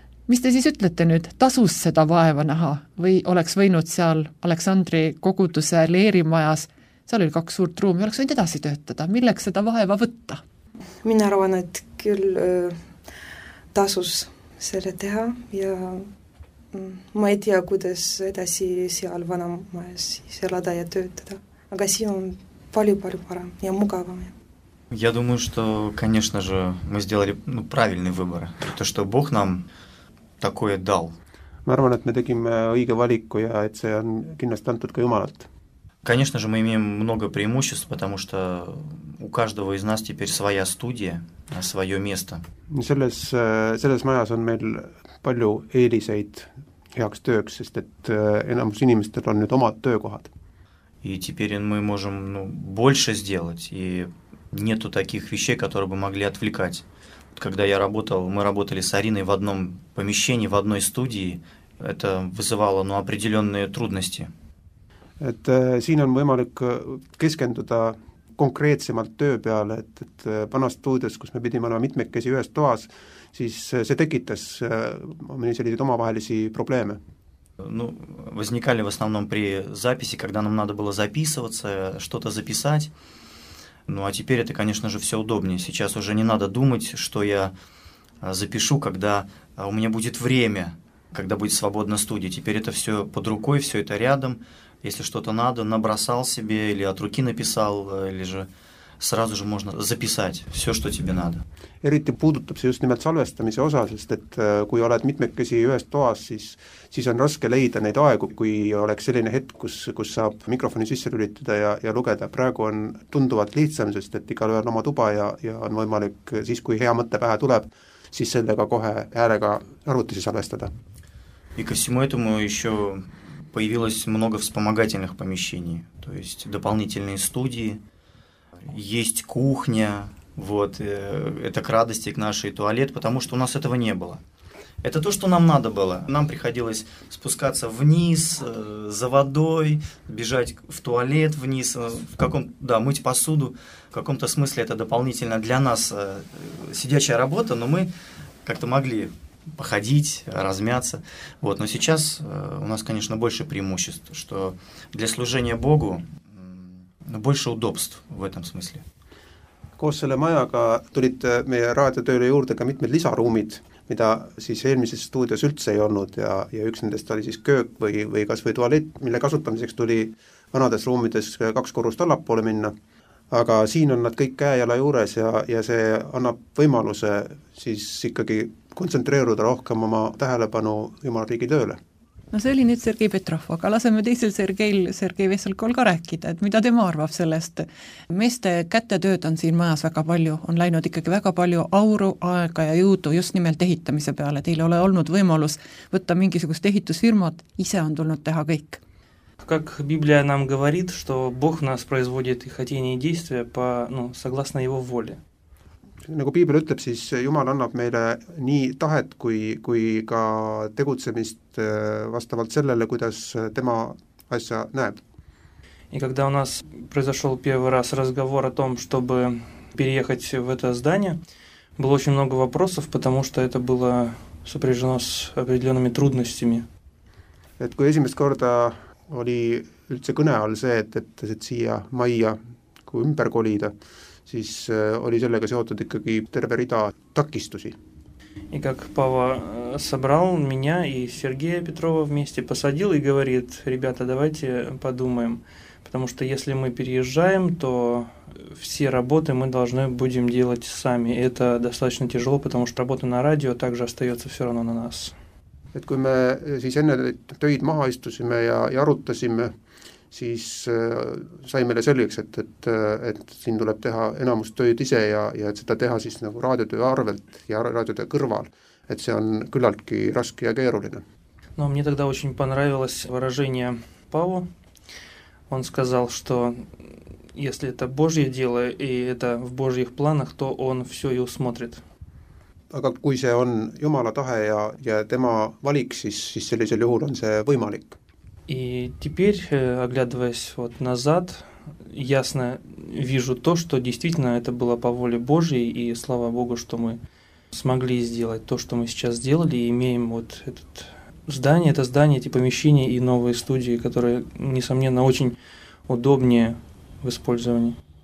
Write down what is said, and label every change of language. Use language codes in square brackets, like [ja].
[et] Mis te siis ütlete nüüd, tasus seda vaeva näha või oleks võinud seal Aleksandri koguduse leerimajas, seal oli kaks suurt ruumi, oleks võinud edasi töötada, milleks seda vaeva võtta? Mina arvan, et küll tasus selle teha ja ma ei tea, kuidas edasi seal vanamajas siis elada ja töötada. Aga siin on palju parem ja mugavam. [ru] Я думаю, что, конечно же, мы сделали правильный выбор. То, что Бог нам такое дал. [et] Ma arvan, et me tegime õige valiku ja et see on kindlasti antud ka Jumalalt. [ru] Конечно же, мы имеем много преимуществ, потому что у каждого из нас теперь своя студия, свое место. [et] Selles majas on meil palju eeliseid heaks tööks, sest et enamus inimestel on nüüd omad töökohad. [ru] И теперь мы можем больше сделать, и нету таких вещей, которые бы могли отвлекать. Вот когда я работал, мы работали с Ариной в одном помещении, в одной студии, это вызывало определенные трудности. [et] Et siin on võimalik keskenduda konkreetsemalt töö peale, et vanast tuudes, kus me pidime olema mitmekesi ühes toas, siis see tekitas sellised omavahelisi probleeme. [ru] Возникали в основном при записи, когда нам надо было записываться, что-то записать. А теперь это, конечно же, все удобнее. Сейчас уже не надо думать, что я запишу, когда у меня будет время, когда будет свободна студия. Теперь это все под рукой, все это рядом. Если что-то надо, набросал себе или от руки написал, или же сразу же можно записать все, что тебе надо. [et] Eriti puudutab see just nimelt salvestamise osa, sest et kui oled mitmekesi ühes toas, siis on raske leida neid aegu, kui oleks selline hetk, kus saab mikrofoni sisse lülitada ja lugeda. Praegu on tunduvalt lihtsam, sest et igal ühel oma tuba ja on võimalik siis, kui hea mõte pähe tuleb, siis sellega kohe häälega arvutisi salvestada. [ru] И ко всему этому еще появилось много вспомогательных помещений, то есть дополнительные студии, есть кухня, вот, это к радости, к нашей туалет, потому что у нас этого не было. Это то, что нам надо было. Нам приходилось спускаться вниз, за водой, бежать в туалет вниз, в каком, да, мыть посуду. В каком-то смысле это дополнительно для нас сидячая работа, но мы как-то могли походить, размяться. Вот. Но сейчас у нас, конечно, больше преимуществ, что для служения Богу больше удобств в этом смысле. [et] Koos selle majaga tulid meie raadiotööle juurde ka mitmed lisaruumid, mida siis eelmises stuudios üldse ei olnud ja üks nendest oli siis köök või kas või tualett, mille kasutamiseks tuli vanades ruumides kaks korrust allapoole minna, aga siin on nad kõik käejala juures ja see annab võimaluse siis ikkagi kontsentreeruda rohkem oma tähelepanu Jumala riigi tööle. No see oli nüüd Sergei Petrov, aga laseme teisel Sergei Veselkol ka rääkida, et mida tema arvab sellest. Meeste kättetööd on siin majas väga palju, on läinud ikkagi väga palju auru, aega ja jõudu just nimelt ehitamise peale. Teil ole olnud võimalus võtta mingisugust ehitusfirmat, ise on tulnud teha kõik. [ru] Как Библия нам говорит, что Бог нас производит и хотение и действия по, ну, согласно его воле. [et] Nagu Piibel ütleb, siis Jumal annab meile nii tahet kui ka tegutsemist vastavalt sellele, kuidas tema asja näeb. [ru] И когда у нас произошел первый раз разговор о том, чтобы переехать в это здание, было очень много вопросов, потому что это было сопряжено с определенными трудностями. [et] Et kui esimest korda oli üldse kõne all see, et siia majja kui ümber kolida, siis oli sellega seotud ikkagi terve rida takistusi. [ru] И как Пава собрал меня и Сергея Петрова вместе посадил и говорит: "Ребята, давайте подумаем, потому что если мы переезжаем, то все работы мы должны будем делать сами. Это достаточно тяжело, потому что работа на радио также остается все равно на нас". [et] Et kui me siis enne töid maha istusime ja arutasime, siis sai meile selgeks, et siin tuleb teha enamus tööd ise ja et seda teha siis nagu raadiotöö arvelt ja raadiotöö kõrval, et see on küllaltki raske ja keeruline. [ru] No мне тогда очень понравилось выражение Павла. Он сказал, что если это Божье дело и это в Божьих планах, то он все и усмотрит. [et] Aga kui see on Jumala tahe ja tema valik, siis sellisel juhul on see võimalik. [ru] И теперь, оглядываясь вот назад, ясно вижу то, что действительно это было по воле Божьей, и слава Богу, что мы смогли сделать то, что мы сейчас сделали, и имеем вот это здание, эти помещения и новые студии, которые, несомненно, очень удобнее в использовании.